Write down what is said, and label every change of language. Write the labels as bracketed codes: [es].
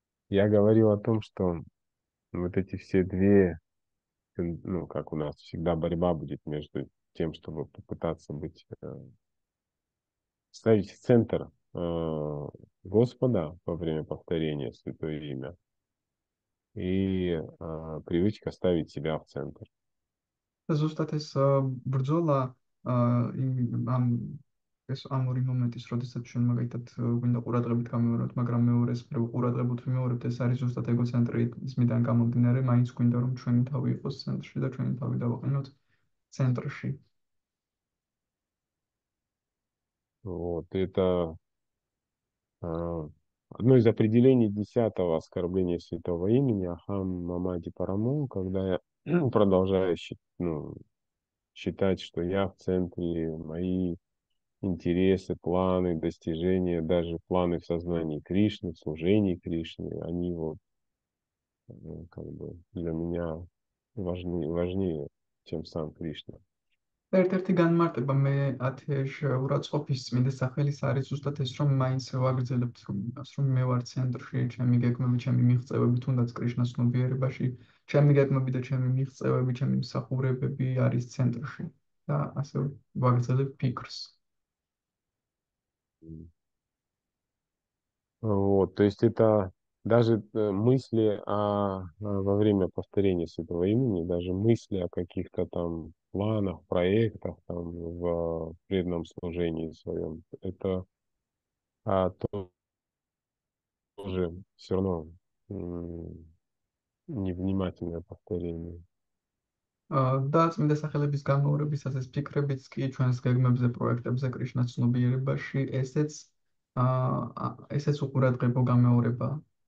[ru] Я говорил о том, что вот эти все две, ну, как у нас всегда борьба будет между тем, чтобы попытаться быть, ставить в центр, Господа во время повторения Святое Имя и, привычка ставить себя в центр. [ka] ზუსტატეს ბრძოლა ამ ორი მომენტის, როდესაც ჩვენ მაგალითად გვინდა ყურადღებით გამეორებთ, მაგრამ მეორეს ყურადღებით ვიმეორებთ, ეს არის ზუსტად ეგოცენტრიზმიდან გამომდინარე, მაინც გვინდა რომ ჩვენი თავი იყოს ცენტრში და ჩვენი თავი დავაყენოთ ცენტრში. [ru] Вот, это одно из определений десятого оскорбления святого имени Ахам Мамади Парамон, когда я продолжаю считать, что я в центре, мои интересы, планы, достижения, даже планы в сознании Кришны, в служении Кришны, они вот как бы для меня важнее, чем сам Кришна. [ka] ერთ-ერთი განმარტება მე ათეშ ურაცხყოფის წმინდა სახელის არის ზუსტად ეს, რომ მაინც ვაგრძელებთ იმას, რომ მე ვარ ცენტრში, ჩემი გეგმები, ჩემი მიღწევები, თუნდაც კრიშნას ცნობიერებაში, ჩემი გეგმები და ჩემი მიღწევები, ჩემი მსახურებები არის ცენტრში და ასე ვაგრძელებ ფიქრს. [ru] Вот, то есть это даже мысли о во время повторения святого имени, даже мысли о каких-то там планах, проектах там в преданном служении своем, это то тоже все равно невнимательное повторение. Да, [ka] წმინდა სახელების გამეორებისას ეს ფიქრებიც კი ჩვენს გეგმებზე, პროექტებზე, კრიშნას ცნობიერებაში, ესეც უყურადღებო გამეორება.